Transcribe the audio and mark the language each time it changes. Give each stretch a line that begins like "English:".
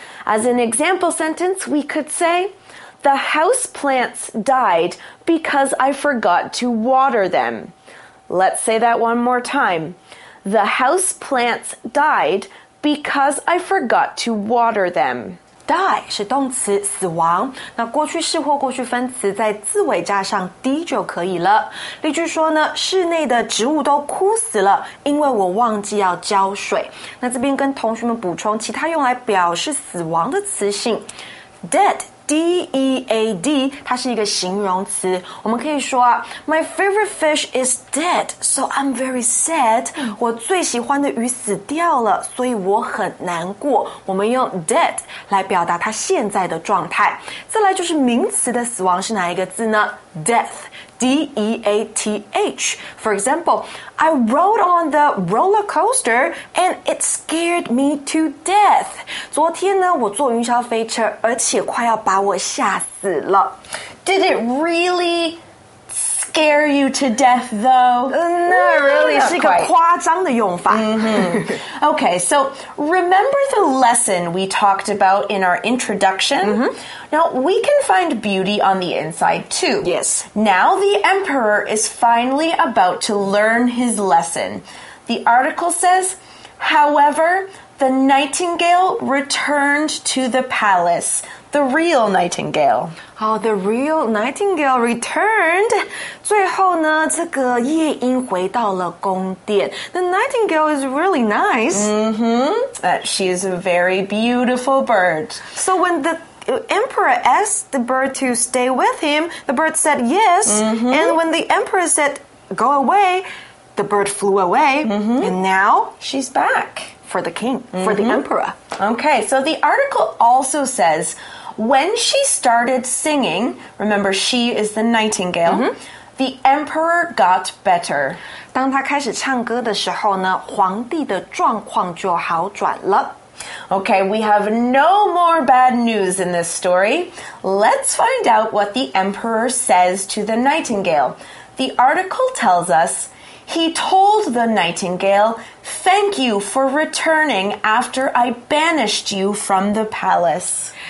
English: As an example sentence, we could say, The house plants died because I forgot to water them. Let's say that one more time. The house plants died because I forgot to water them.
Chinese: Die 是动词死亡，那过去式或过去分词在字尾加上 d 就可以了。例句说呢，室内的植物都枯死了，因为我忘记要浇水。那这边跟同学们补充其他用来表示死亡的词性 ，dead d e a d， 它是一个形容词。我们可以说啊
English: ，My favorite fish is dead， so I'm very sad。
Chinese: 我最喜欢的鱼死掉了，所以我很难过。我们用 dead 来表达它现在的状态。再来就是名词的死亡是哪一个字呢 ？death。
English: D-E-A-T-H. For example, I rode on the roller coaster and it scared me to death.
Chinese: 昨天呢，我坐云霄飞车，而且快要把我吓死了。
English: Did it really scare you to death, though? Not really.
Chinese: 是一个夸张的用法。
English: Okay, so remember the lesson we talked about in our introduction? Mm-hmm. Now, we can find beauty on the inside, too. Yes. Now, the emperor is finally about to learn his lesson. The article says, However, the nightingale returned to the palace. The real nightingale. Oh, the real nightingale returned.
Chinese: 最后呢，这个夜莺回到了宫殿。
English: The nightingale is really nice. Mm-hmm. She is a very beautiful bird. So when the... Emperor asked the bird to stay with him. The bird said yes.、Mm-hmm. And when the emperor said go away, the bird flew away.、Mm-hmm. And now she's back for the king,、mm-hmm. for the emperor. Okay, so the article also says when she started singing, remember she is the nightingale,、mm-hmm. the emperor got better.
Chinese: 当他开始唱歌的时候呢，皇帝的状况就好转了。
English: Okay, we have no more bad news in this story. Let's find out what the emperor says to the nightingale. The article tells us, he told the nightingale, thank you for returning after I banished you from the palace.